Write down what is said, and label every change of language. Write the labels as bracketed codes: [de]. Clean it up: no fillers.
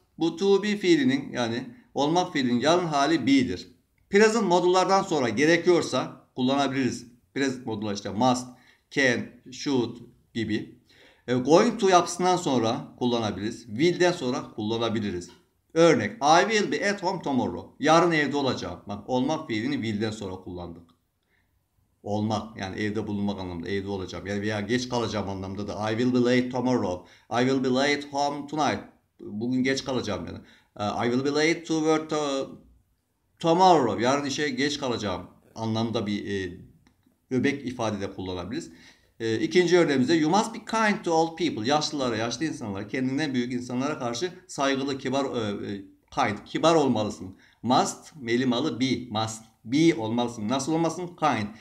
[tr] Bu to be fiilinin yani olmak fiilinin yalın hali be'dir. Present modullardan sonra gerekiyorsa kullanabiliriz. Present modullar işte must, can, should gibi. Going to yapısından sonra kullanabiliriz. Will'den sonra kullanabiliriz. Örnek, [en] I will be at home tomorrow. [tr] Yarın evde olacağım. Bak olmak fiilini will'den sonra kullandık. Olmak yani evde bulunmak anlamında evde olacağım. Yani veya geç kalacağım anlamında da [en] I will be late tomorrow. I will be late home tonight. [tr] Bugün geç kalacağım yani. [en] I will be late to work tomorrow. [tr] Yarın işe geç kalacağım anlamında bir öbek ifade de kullanabiliriz. İkinci örneğimizde [en] you must be kind to old people. [tr] Yaşlılara, yaşlı insanlara, kendinden büyük insanlara karşı saygılı, kibar, kind, kibar olmalısın. Must, melimalı be, must. Be olmalısın. Nasıl olmasın? Kind.